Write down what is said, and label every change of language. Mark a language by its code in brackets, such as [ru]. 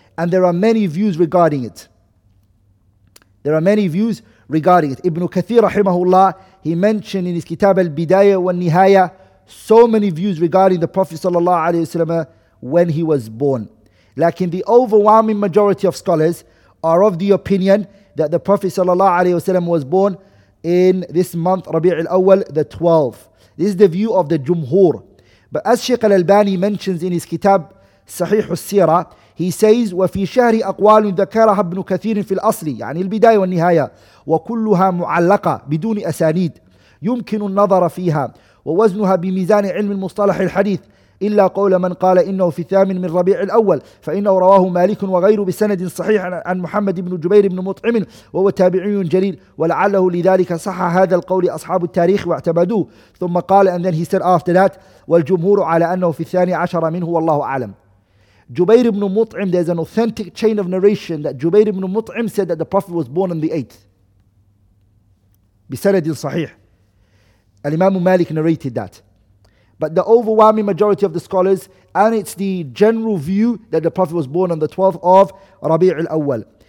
[en] And there are many views regarding it. Ibn Kathir rahimahullah, he mentioned in his Kitab al-Bidayah wa al-Nihaya so many views regarding the Prophet sallallahu alaihi wasallam when he was born. Lakin the overwhelming majority of scholars are of the opinion that the Prophet sallallahu alaihi wasallam was born in this month, Rabi' al-Awwal, the 12th. This is the view of the Jumhur. But as Sheikh al-Albani mentions in his Kitab Sahih al-Sira, he says, [ar] وَفِي شَهْرِ أَقْوَالٍ ذَكَرَهَا ابْنُ كَثِيرٍ فِي الْأَصْلِ يعني البداية والنهاية وَكُلُّهَا مُعَلَّقَةً بدون أسانيد يمكن النظر فيها ووزنها بميزان علم المصطلح الحديث إلا قول من قال إنه في الثامن من ربيع الأول فإنه رواه مالك وغيره بسند صحيح عن محمد بن جبير بن مطعم وهو تابعي جليل ولعله لذلك صح هذا القول أصحاب التاريخ واعتمدوه ثم قال [en] and then he said after that [ar] والجمهور على أنه في الثاني عشر منه والله أعلم. [en] Jubayr ibn Mut'im, there's an authentic chain of narration that Jubayr ibn Mut'im said that the Prophet was born on the 8th. Bisanadin sahih. Al-Imam Malik narrated that. But the overwhelming majority of the scholars, and it's the general view that the Prophet was born on the 12th of Rabi' al-Awwal.